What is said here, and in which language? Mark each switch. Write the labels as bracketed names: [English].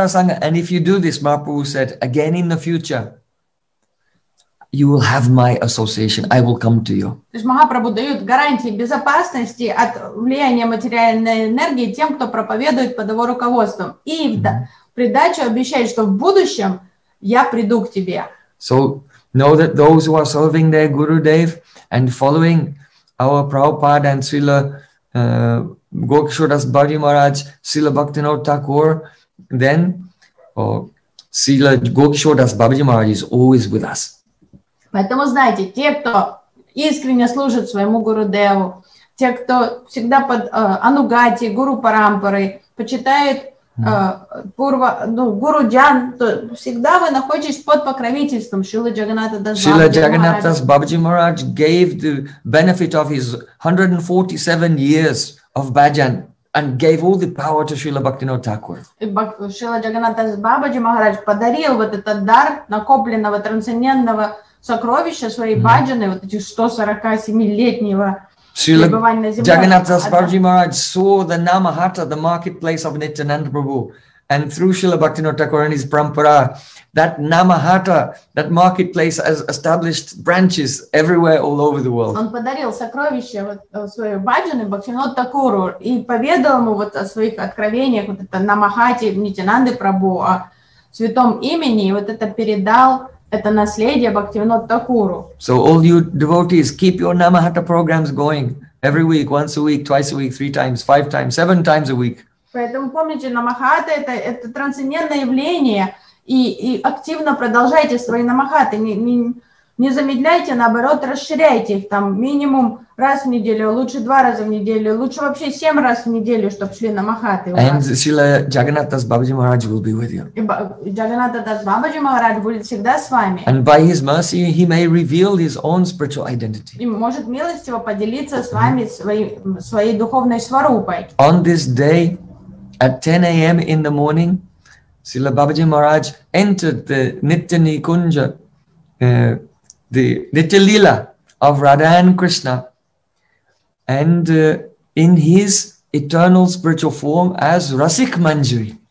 [English] And if you do this, Mahaprabhu said, again in the future, you will have my association. I will come to you. [Russian] То есть Махапрабху дает гарантии безопасности от влияния материальной энергии тем, кто проповедует под его руководством. И в придачу обещает, что в будущем я приду к тебе. [English] So know that those who are serving their Guru Dev and following our Prabhupada and Srila Gokshodas Bhaji Maharaj, Srila Bhaktivinoda Thakur, then Srila Gokshodas Bhaji Maharaj is always with us. [Russian] Поэтому знаете, те, кто искренне служит своему Гуру Деву, те, кто всегда под Анугати, Гуру Парампары, почитает Пурва, ну, Гуру Джан, то всегда вы находитесь под покровительством Шрилы Джаганнатха Даса Бабаджи Махараджа. [English] Шрила Джаганнатха Даса Бабаджи Махарадж gave the benefit of his 147 years of bhajan and gave all the power to Srila Bhaktivinoda Thakur. [Russian] Srila Jagannatha Babaji Maharaj подарил вот этот дар накопленного трансцендентного сокровища своей бхаджаны, вот этих 147-летнего пребывания на земле. [English] Jagannatha Babaji Maharaj saw the Namahata, the marketplace of Nityananda Prabhu, and through Srila Bhaktivinoda Thakur and his parampara, that Namahata, that marketplace, has established branches everywhere all over the world. [Russian] Он подарил сокровища своей баджаны Бхактивинода Такуру и поведал ему вот о своих откровениях, вот это Намахате, Нитянанды Прабху, о святом имени, и вот это передал, это наследие Бхактивинода Такуру. [English] So all you devotees, keep your Namahata programs going every week, once a week, twice a week, three times, five times, seven times a week. [Russian] Поэтому помните, Намахата — это трансцендентное явление. И активно продолжайте свои намахаты, не замедляйте, наоборот, расширяйте их там минимум раз в неделю, лучше два раза в неделю, лучше вообще семь раз в неделю, чтобы шли намахаты. [English] And Srila Jagannatha Das Babaji Maharaj will be with you. [Russian] Jagannatha Das Babaji Maharaj будет всегда с вами. [English] And by his mercy, he may reveal his own spiritual identity. [Russian] И может милостиво поделиться с вами своей духовной сварупой. [English] On this day, at 10 a.m. in the morning, Srila Babaji Maharaj entered the Nitya Nikunja, the Nitya Lila of Radha and Krishna, and in his eternal spiritual form as Rasik Manjari.